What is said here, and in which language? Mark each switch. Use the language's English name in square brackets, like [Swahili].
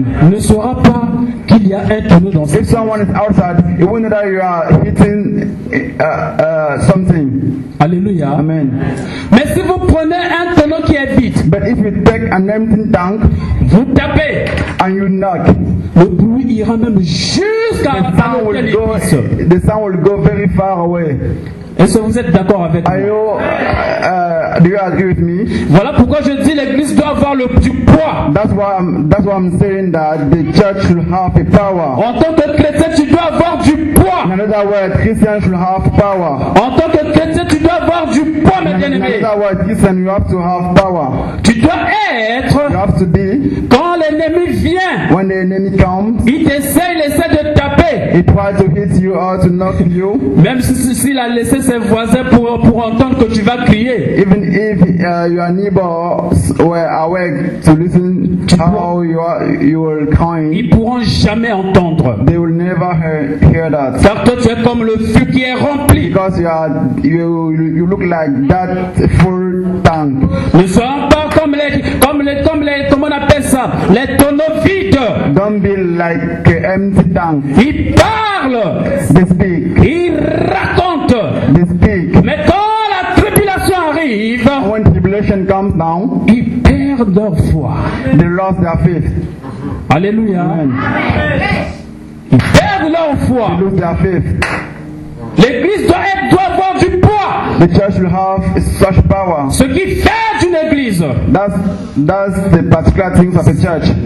[French] Ne sera pas qu'il y a un tonneau dans. [English] If someone is outside, it will know that you are hitting something. [French] Alléluia. Amen. Mais si vous prenez un tonneau qui est vide, [English] but if you take an empty tank, [French] vous tapez, [English] and you knock, [French] le bruit ira même jusqu'à la porte de l'église. [English] The sound will go very far away. [French] Est-ce que vous êtes d'accord avec moi? [English] Do you agree with me? [French] Voilà pourquoi je dis l'église doit avoir le du poids. [English] That's why I'm saying that the church should have a power. [French] En tant que chrétien, tu dois avoir du poids. [English] In other words, Christians should have power. [French] En tant que chrétien, tu dois avoir du poids, mes bien-aimés. [English] In other words, Christian, you have to have power. [French] Tu dois être. [English] You have to be. [French] Quand l'ennemi vient. [English] When the enemy comes. [French] Il essaie de taper. [English] He tries to hit you or to knock you. [French] Même si il a laissé ses voisins pour entendre que tu vas crier. [English] Even if your neighbors were awake to listen how you were crying, [French] ils pourront jamais entendre. [English] They will never hear that. [French] Car toi tu es comme le feu qui est rempli. [English] Because you look like that full tank. [French] Ne sois pas comme les comment on appelle ça, les tonneaux vides. [English] Don't be like an empty tank. [French] Ils parlent. [English] They speak. [French] Ils racontent. [English] They speak. [French] Mais quand la tribulation arrive, [English] when tribulation comes down, [French] ils perdent leur foi. [English] They lost their faith. [French] Alléluia. [English] Amen. [French] Ils perdent leur foi. [English] They lose their faith. [French] L'église doit avoir du poids. [English] The church will have such power. [French] Ce qui fait d'une église. [English] That's the particular things of the church.